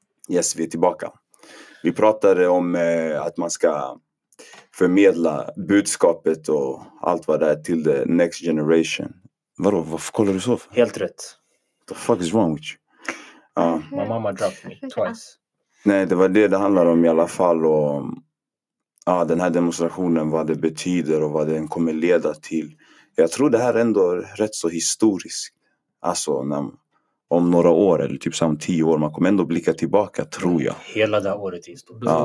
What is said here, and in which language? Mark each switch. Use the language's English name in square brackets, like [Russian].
[Swedish] Yes, vi är tillbaka. Vi pratade om att man ska förmedla budskapet och allt vad det är till [English] the next generation. [Swedish] Vadå, varför kollar du så? Helt rätt. [English] What the fuck is wrong with you? My mama dropped me twice. [Swedish] Nej, det var det handlade om i alla fall. Och den här demonstrationen, vad det betyder och vad den kommer leda till. Jag tror det här ändå är rätt så historiskt. Alltså, om några år eller typ om 10 år, man kommer ändå blicka tillbaka, tror jag. Hela det året är historiskt.